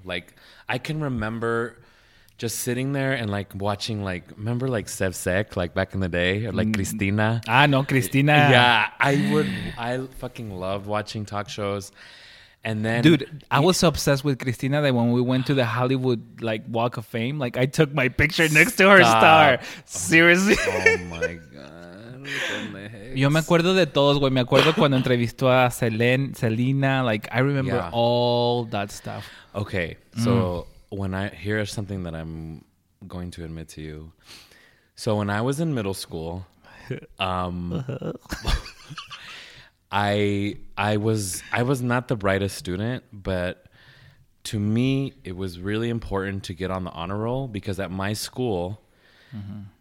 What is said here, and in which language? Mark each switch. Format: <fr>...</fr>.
<en>Like, I can remember just sitting there and, like, watching, like, remember, like, Sev Sek, like, back in the day? Or, like, Cristina? Ah, no, Cristina. Yeah, I fucking love watching talk shows. And then... Dude, I was so obsessed with Cristina that when we went to the Hollywood, like, Walk of Fame, like, I took my picture next to her star. Seriously. Oh, my God.</en> <es>Yo me acuerdo de todos, güey. Me acuerdo cuando entrevistó a Selena.</es> <en>Like, I remember all that stuff. Okay. So, here's something that I'm going to admit to you. So, when I was in middle school, I was not the brightest student, but to me, it was really important to get on the honor roll because at my school... Mm-hmm.</en>